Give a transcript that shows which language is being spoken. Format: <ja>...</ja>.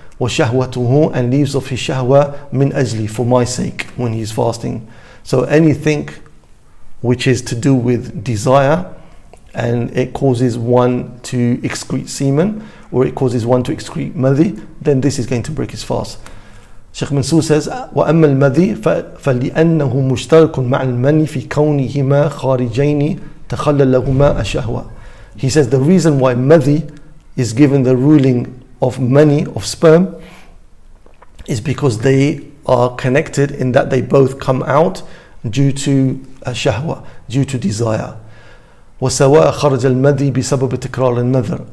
<en>وَشَهْوَتُهُ and leaves off his shahwa</en> <ar>مِنْ أَجْلِي</ar> <en>for my sake when he's fasting. So anything which is to do with desire and it causes one to excrete semen or it causes one to excrete madhi, then this is going to break his fast. Sheikh Mansour says,</en> <ar>وَأَمَّا الْمَذِي فَلِأَنَّهُ مُشْتَرْكٌ مَعَ الْمَنِّ فِي كَوْنِهِمَا خَارِجَيْنِ تَخَلَّ لَهُمَا الشَّهْوَةَ.</ar> <en>He says the reason why madhi is given the ruling of mani, of sperm, is because they are connected in that they both come out due to shahwa, due to desire.</en> <ar>وَسَوَاءَ خَرَجَ الْمَذِي بِسَبَبِ تَكْرَارِ النَّذْرِ.</ar>